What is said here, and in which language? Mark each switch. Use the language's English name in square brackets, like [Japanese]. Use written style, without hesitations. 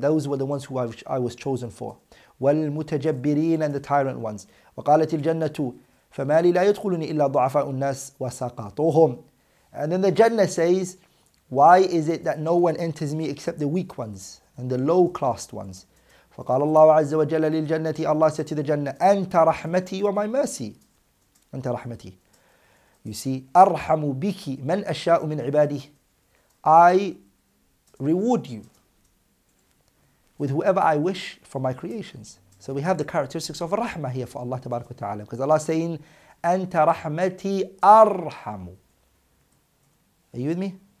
[English] Those were the ones who I was chosen for. [Arabic] والمتجبرين [English] and the tyrant ones. [Arabic] وقالت الجنة, فما لي لا يدخلني إلا ضعفاء الناس وسقاطهم. [English] And then the Jannah says, why is it that no one enters me except the weak ones and the low-classed ones? [Arabic] فقال الله عز وجل للجنة, [English] Allah said to the Jannah, [Arabic] أنت رحمتي و [English] my mercy. [Arabic] أنت رحمتي. [English] You see, [Arabic] أرحم بك من أشاء من عبادي. [English] I reward you with whoever I wish for my creations. So we have the characteristics of الرحمة here for Allah تبارك وتعالى. Because Allah is saying, [Arabic] أنت رحمتي أرحم. [English] Are you with me?